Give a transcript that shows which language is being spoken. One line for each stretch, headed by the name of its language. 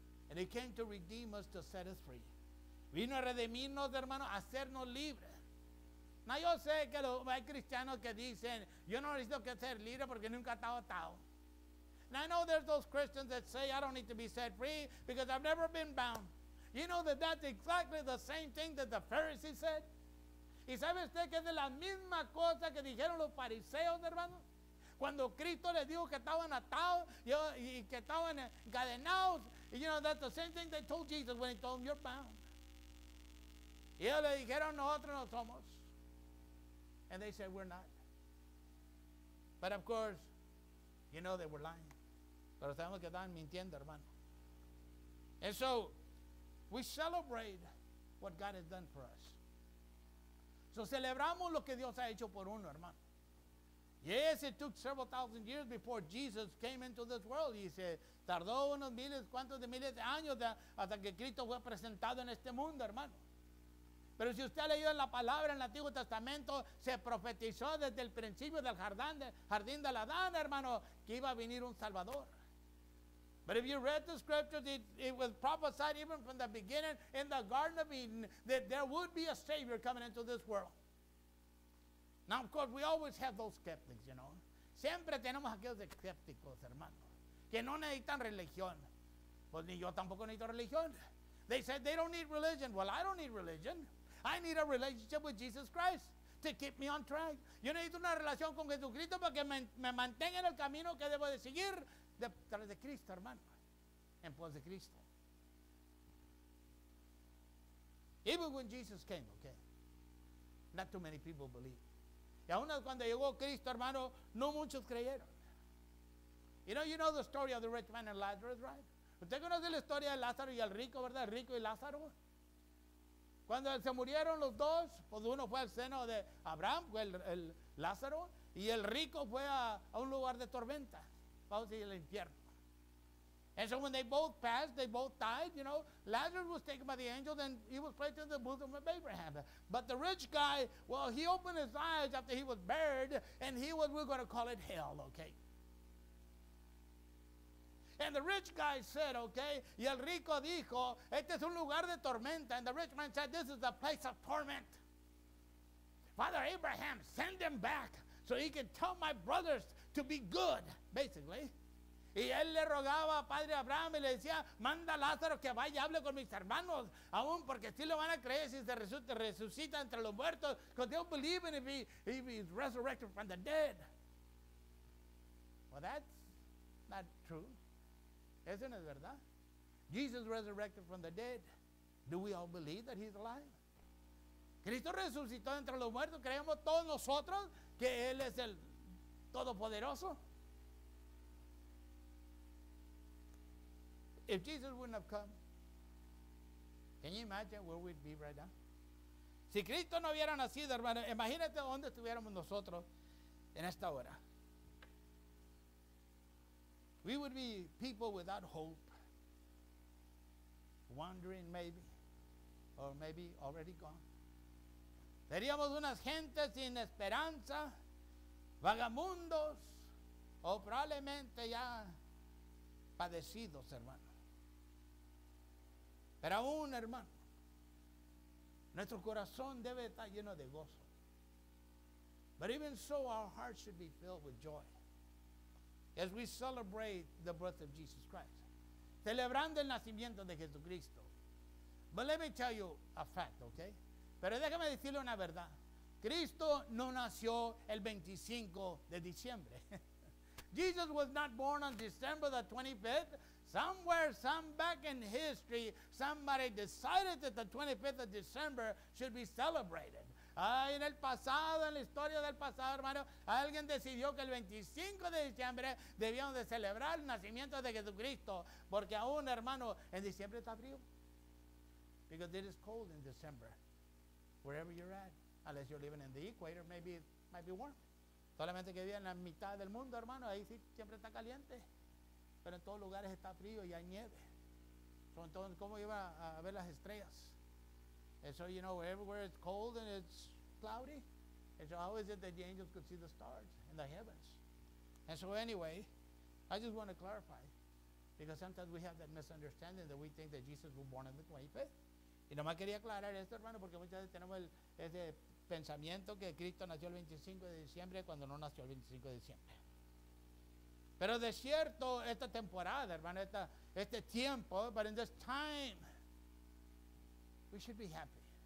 English: And he came to redeem us, to set us free.
Spanish: Vino a redimirnos, hermano, a hacernos libres. No, yo sé que hay cristianos que dicen, yo no necesito que ser libre porque nunca he estado atado.
English: And I know there's those Christians that say, I don't need to be set free because I've never been bound. You know that that's exactly the same thing that the Pharisees said.
Spanish: ¿Y sabe usted que es de la misma cosa que dijeron los fariseos, hermano? Cuando Cristo les dijo que estaban atados y que estaban encadenados.
English: You know, that's the same thing they told Jesus when he told them, you're bound.
Spanish: Y ellos le dijeron, nosotros no somos.
English: And they said, we're not. But of course, you know they were lying.
Spanish: Pero sabemos que estaban mintiendo, hermano.
English: And so, we celebrate what God has done for us.
Spanish: So, celebramos lo que Dios ha hecho por uno, hermano.
English: Yes, it took several thousand years before Jesus came into this world.
Spanish: Y se tardó unos miles, cuantos de miles de años hasta que Cristo fue presentado en este mundo, hermano. Pero si usted ha leído en la palabra en el Antiguo Testamento, se profetizó desde el principio del jardín de Adán, hermano, que iba a venir un Salvador.
English: But if you read the scriptures, it was prophesied even from the beginning in the Garden of Eden that there would be a Savior coming into this world. Now, of course, we always have those skeptics, you know.
Spanish: Siempre tenemos aquellos escépticos, hermano, que no necesitan religión. Pues ni yo tampoco necesito religión.
English: They said they don't need religion. Well, I don't need religion. I need a relationship with Jesus Christ to keep me on track.
Spanish: Yo necesito una relación con Jesucristo para que me mantenga en el camino que debo de seguir detrás de Cristo, hermano, en pos de Cristo.
English: Even when Jesus came, okay, not too many people believed.
Spanish: Y aún cuando llegó Cristo, hermano, no muchos creyeron.
English: You know the story of the rich man and Lazarus, right?
Spanish: ¿Usted conoce la historia de Lázaro y el rico, verdad? El rico y Lázaro. Cuando se murieron los dos, pues uno fue al seno de Abraham, fue el Lázaro, y el rico fue a un lugar de tormenta, vamos a decir, el infierno.
English: And so when they both passed, they both died, you know, Lazarus was taken by the angels and he was placed in the bosom of Abraham. But the rich guy, well, he opened his eyes after he was buried, and he was, we're going to call it hell, okay. And the rich guy said, okay,
Spanish: y el rico dijo, este es un lugar de tormenta.
English: And the rich man said, this is a place of torment. Father Abraham, send him back so he can tell my brothers to be good, basically.
Spanish: Y él le rogaba a Padre Abraham y le decía, manda a Lázaro que vaya y hable con mis hermanos, aún porque si lo van a creer si se resucita entre los muertos,
English: because they don't believe in if he's resurrected from the dead. Well, that's not true.
Spanish: Eso no es verdad.
English: Jesus resurrected from the dead. Do we all believe that he's alive?
Spanish: Cristo resucitó entre los muertos. ¿Creemos todos nosotros que Él es el Todopoderoso?
English: If Jesus wouldn't have come, can you imagine where we'd be right now?
Spanish: Si Cristo no hubiera nacido, hermano, imagínate dónde estuviéramos nosotros en esta hora.
English: We would be people without hope, wandering maybe, or maybe already gone.
Spanish: Seríamos unas gentes sin esperanza, vagabundos o probablemente ya padecidos, hermano. Pero aún, hermano, nuestro corazón debe estar lleno de gozo.
English: But even so, our hearts should be filled with joy as we celebrate the birth of Jesus Christ.
Spanish: Celebrando el nacimiento de Jesucristo.
English: But let me tell you a fact, okay?
Spanish: Pero déjame decirle una verdad. Cristo no nació el 25 de diciembre.
English: Jesus was not born on December the 25th. Somewhere, some back in history, somebody decided that the 25th of December should be celebrated.
Spanish: Ay, en el pasado, en la historia del pasado, hermano, alguien decidió que el 25 de diciembre debíamos de celebrar el nacimiento de Jesucristo, porque aún, hermano, en diciembre está frío.
English: Because it is cold in December, wherever you're at, unless you're living in the equator, maybe it might be warm.
Spanish: Solamente que vive en la mitad del mundo, hermano, ahí sí siempre está caliente. Pero en todos lugares está frío y hay nieve. So, entonces, ¿cómo iba a ver las estrellas?
English: And so, you know, everywhere it's cold and it's cloudy. And so, how is it that the angels could see the stars in the heavens? And so, anyway, I just want to clarify. Because sometimes we have that misunderstanding that we think that Jesus was born on the 25th.
Spanish: Y nomás quería aclarar esto, hermano, porque muchas veces tenemos ese pensamiento que Cristo nació el 25 de diciembre cuando no nació el 25 de diciembre. Pero de cierto, esta temporada, hermano, este tiempo,
English: but in this time, we should be happy.